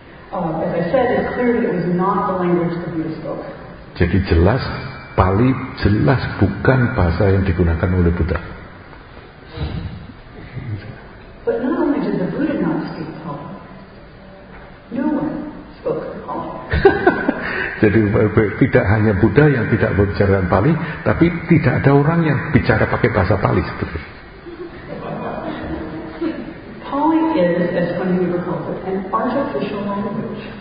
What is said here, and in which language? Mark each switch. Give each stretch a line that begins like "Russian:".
English: As I said, it's clear that it was not the language the Buddha spoke.
Indonesian: Jadi jelas Pali jelas bukan bahasa yang digunakan oleh Buddha.
English: But not only did the Buddha not speak Pali, no one spoke Pali.
Indonesian: Jadi tidak hanya Buddha yang tidak berbicara dengan Pali, tapi tidak ada orang yang bicara pakai bahasa Pali seperti itu.
English: Pali is, as one of you recall, an artificial language.